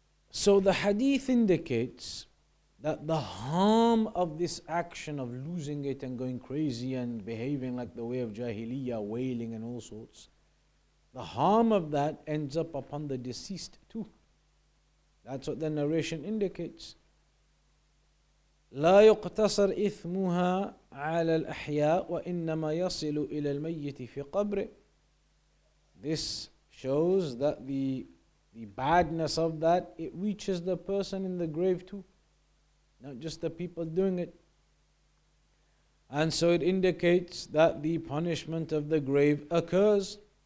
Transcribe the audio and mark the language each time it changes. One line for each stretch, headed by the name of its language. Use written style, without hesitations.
English: So the hadith indicates that the harm of this action of losing it and going crazy and behaving like the way of Jahiliyyah, wailing and all sorts, the harm of that ends up upon the deceased too. That's what the narration indicates.
Arabic: لا يقتصر إثمها على الأحياء وإنما يصل إلى الميت في قبره.
English: This shows that the badness of that, it reaches the person in the grave too, not just the people doing it. And so it indicates that the punishment of the grave occurs.